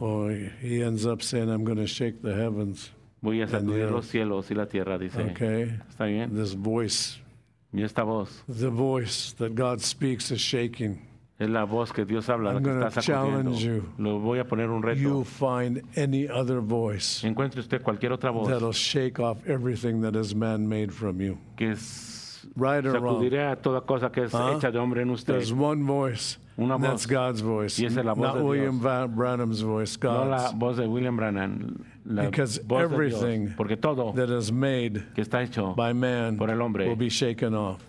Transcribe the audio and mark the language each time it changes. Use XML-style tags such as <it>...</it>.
<en>Oh, he ends up saying, I'm going to shake the heavens.</en> <es>Voy a sacudir los cielos y la tierra, dice.</es> <en>Okay.</en> <es>Está bien.</es> <en>This voice.</en> <es>Y esta voz.</es> <en>The voice that God speaks is shaking.</en> <es>Es la voz que Dios habla,</es> <en>I'm</en> <es>la que está sacudiendo.</es> <en>Challenge you.</en> <es>Lo voy a poner un reto.</es> <en>You find any other voice.</en> <es>Encuentre usted cualquier otra voz.</es> <en>That'll shake off everything that is man-made from you.</en> <es>Que es</es> <en>right or</en> <es>sacudiré</es> <en>wrong.</en> <es>A toda cosa que es hecha de hombre en usted.</es> <en>There's one voice.</en> <es>Una voz.</es> <en>That's God's voice.</en> <es>Y esa es la voz</es> <en>Not</en> <es>de Dios.</es> <en>William Branham's voice. God's.</en> <es>No la voz de William Branham.</es> <en>Because</en> <es>voz</es> <en>everything</en> <es>de Dios. Porque todo</es> <en>that is made</en> <es>que está hecho</es> <en>by man</en> <es>por el hombre</es> <en>will be shaken off.</en>